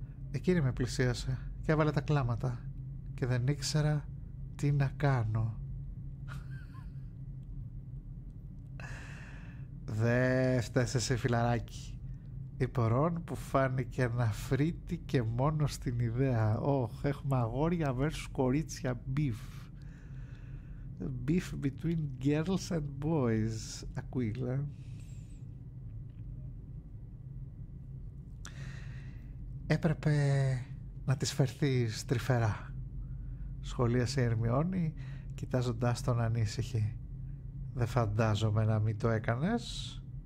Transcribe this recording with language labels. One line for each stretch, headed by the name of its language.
Greek: Εκείνη με πλησίασε και έβαλε τα κλάματα και δεν ήξερα τι να κάνω. «Δε φταίσαι σε φιλαράκι», είπε ο Ρόν που φάνηκε να φρύτηκε μόνο στην ιδέα. «Ωχ, έχουμε αγόρια versus κορίτσια beef.
English: Beef between girls and boys, Ακουίλα».
Greek: «Έπρεπε να τις φερθείς τρυφερά», σχολίασε η Ερμιόνη κοιτάζοντάς τον ανήσυχη. «Δε φαντάζομαι να μην το έκανες».